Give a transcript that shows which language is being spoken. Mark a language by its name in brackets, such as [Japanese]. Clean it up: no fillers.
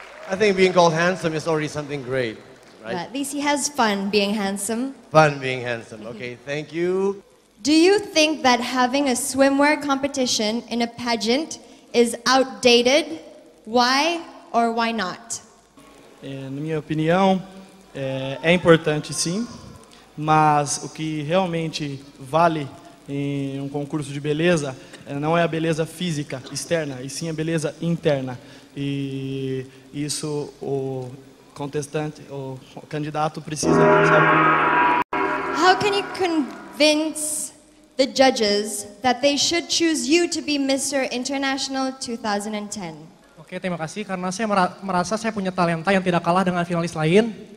[English] I think being called handsome is already something great, right? At least he has fun being handsome. Fun being handsome. Okay, thank you. Do you think that having a swimwear competition in a pageant is outdated? Why or why not? [Portuguese] Na minha opinião, é importante sim, mas o que realmente vale em um concurso de beleza não é a beleza física externa, e sim a beleza interna. E isso o contestante, o candidato precisa saber. [English] How can you convince the judges that they should choose you to be Mr. International 2010? [Indonesian] Oke, terima kasih, karena saya merasa saya punya talenta yang tidak kalah dengan finalis lain.